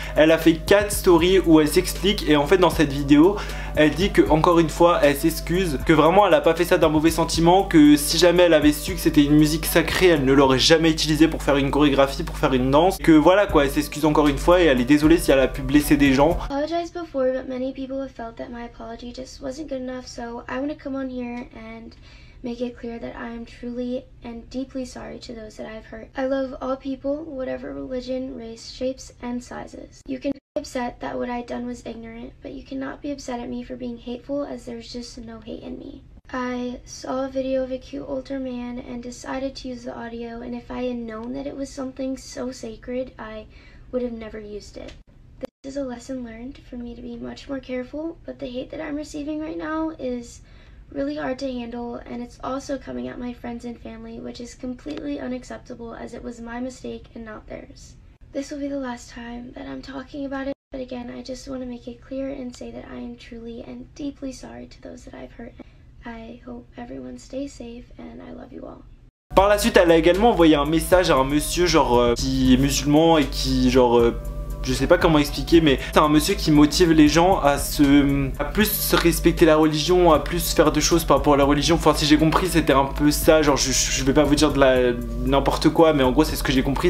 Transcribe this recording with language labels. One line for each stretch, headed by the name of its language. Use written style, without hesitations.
French: Elle a fait 4 stories où elle s'explique. Et en fait, dans cette vidéo, elle dit que encore une fois, elle s'excuse. Que vraiment, elle a pas fait ça d'un mauvais sentiment. Que si jamais elle avait su que c'était une musique sacrée, elle ne l'aurait jamais utilisée pour faire une chorégraphie, pour faire une danse. Que voilà, quoi, elle s'excuse encore une fois et elle est désolée si elle a pu blesser des gens.
English: Apologize before, but many people have felt that my apology just wasn't good enough, so I want to come on here and make it clear that I am truly and deeply sorry to those that I've hurt. I love all people, whatever religion, race, shapes and sizes. You can be upset that what I done was ignorant, but you cannot be upset at me for being hateful, as there's just no hate in me. I saw a video of a cute older man and decided to use the audio, and if I had known that it was something so sacred, I would have never used it. This is a lesson learned for me to be much more careful, but the hate that I'm receiving right now is really hard to handle, and it's also coming at my friends and family, which is completely unacceptable as it was my mistake and not theirs. This will be the last time that I'm talking about it, but again, I just want to make it clear and say that I am truly and deeply sorry to those that I've hurt. I hope everyone stays safe, and I love you all.
French: Par la suite, elle a également envoyé un message à un monsieur, genre, qui est musulman et qui, genre... je sais pas comment expliquer, mais c'est un monsieur qui motive les gens à plus respecter la religion, à plus faire de choses par rapport à la religion. Enfin, si j'ai compris, c'était un peu ça. Genre, je vais pas vous dire n'importe quoi, mais en gros, c'est ce que j'ai compris.